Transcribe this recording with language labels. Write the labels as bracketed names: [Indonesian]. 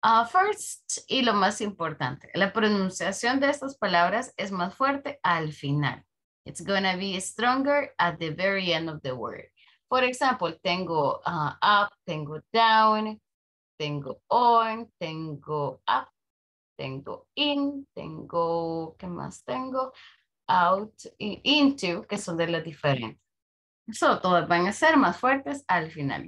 [Spanish] First, y lo más importante, la pronunciación de estas palabras es más fuerte al final. [English] It's gonna be stronger at the very end of the word. For example, [Spanish] tengo up, tengo down, tengo on, tengo up, tengo in, tengo, ¿qué más tengo? Out, into, que son de las diferentes. So, todas van a ser más fuertes al final.